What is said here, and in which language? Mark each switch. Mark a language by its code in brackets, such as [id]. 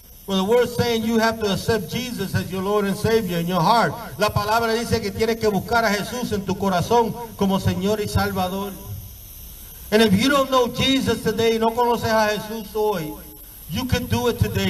[en] Well, the word saying you have to accept Jesus as your Lord and Savior in your heart. [es] La palabra dice que tienes que buscar a Jesús en tu corazón como Señor y Salvador. [en] And if you don't know Jesus today, [es] no conoces a Jesús hoy, [en] you can do it today.